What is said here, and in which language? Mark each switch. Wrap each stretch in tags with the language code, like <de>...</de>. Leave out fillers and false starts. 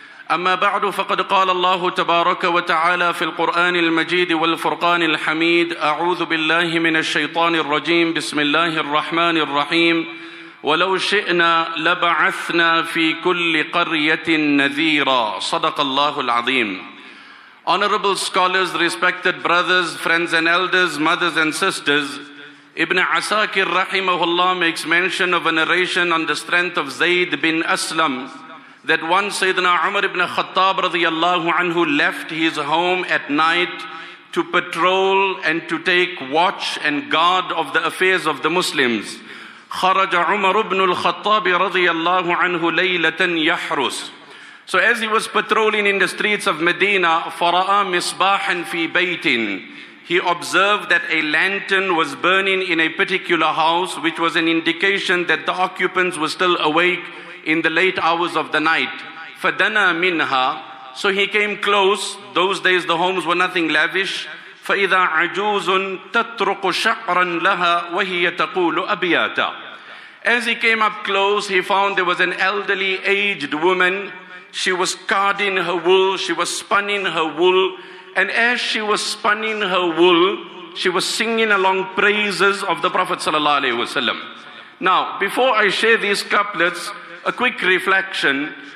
<ar>أما بعد، فقد قال الله تبارك وتعالى في القرآن المجيد والفرقان الحميد: أعوذ بالله من الشيطان الرجيم، بسم الله الرحمن الرحيم: ولو شئنا لبعثنا في كل قرية نذيرا. صدق الله العظيم.</ar> <en>Honorable scholars, respected brothers, friends and elders, mothers and sisters, Ibn Asakir rahimahullah makes mention of a narration on the strength of Zayd bin Aslam that once Sayyidina Umar ibn Khattab radiyallahu anhu left his home at night to patrol and to take watch and guard of the affairs of the Muslims.</en> <ar>خرج عمر بن الخطاب رضي الله عنه ليلة يحرس.</ar> <en>So as he was patrolling in the streets of Medina,</en> <ar>فرأى مصباحا في بيت.</ar> <en>He observed that a lantern was burning in a particular house, which was an indication that the occupants were still awake in the late hours of the night.</en> <ar>فدنا منها.</ar> <en>So he came close. Those days the homes were nothing lavish.</en> <ar>فإذا عجوز تطرق شعرا لها وهي تقول أبياتا.</ar> <en>As he came up close, he found there was an elderly aged woman. She was carding her wool, she was spinning her wool, and as she was spinning her wool, she was singing along praises of the Prophet sallallahu alaihi wasallam. Now, before I share these couplets, a quick reflection.</en>